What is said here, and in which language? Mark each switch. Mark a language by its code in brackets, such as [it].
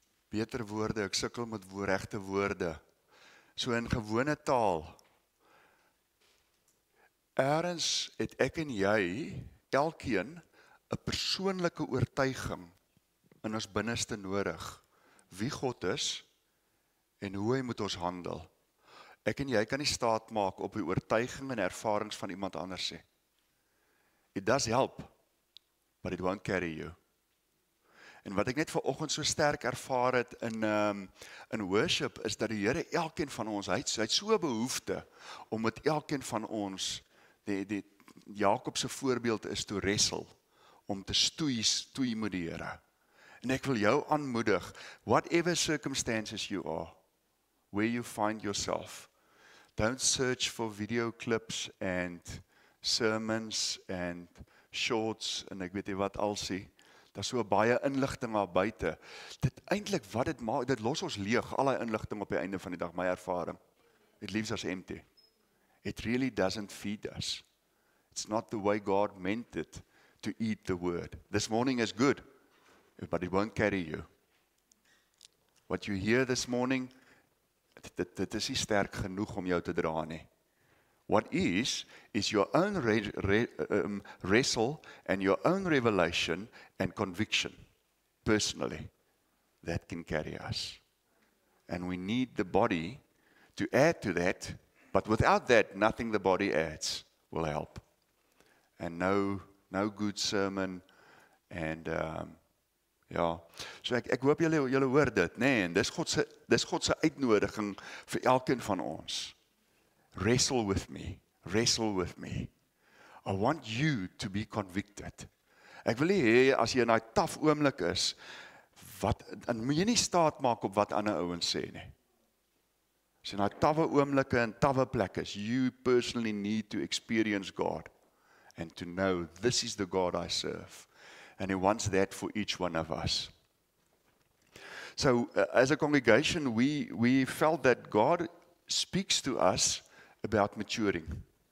[af] Beter woorde, ek sukkel met regte woorde. So in gewone taal, ergens het ek en jy, elkeen, 'n persoonlike oortuiging in ons binneste nodig, wie God is en hoe hy moet ons handel. Ek en jy kan nie staat maak op die oortuiging en ervarings van iemand anders sê. [en] It does help, but it won't carry you. [af] En wat ek net vanoggend so sterk ervaar het in worship, is dat die Here elkeen van ons, hy het so behoefte om met elkeen van ons, die Jakob se voorbeeld is [en] to wrestle, [af] om te stoei met die Here. En ek wil jou aanmoedig, [en] whatever circumstances you are, where you find yourself, don't search for video clips and sermons and shorts, [af] en ek weet nie wat al sê, daar is so baie inligting daar buite. Dit eintlik wat dit maak, dit los ons leeg, al die inligting op die einde van die dag, my ervaring. [en] It leaves us empty. It really doesn't feed us. It's not the way God meant it to eat the word. This morning is good, but it won't carry you. What you hear this morning, [af] dit is nie sterk genoeg om jou te dra nie. [en] What is your own wrestle and your own revelation and conviction, personally, that can carry us. And we need the body to add to that, but without that, nothing the body adds will help. And no good sermon and [af] ja, so ek hoop julle hoor dit, nê, en dis God se uitnodiging vir elkeen van ons. [en] Wrestle with me. Wrestle with me. I want you to be convicted. [af] Ek wil nie hê as jy in daai taf oomblik is, wat en moet jy nie staat maak op wat ander ouens sê nie. As jy in daai tawe oomblikke en tawe plekke is, [en] you personally need to experience God and to know this is the God I serve. And he wants that for each one of us. So as a congregation, we felt that God speaks to us about maturing.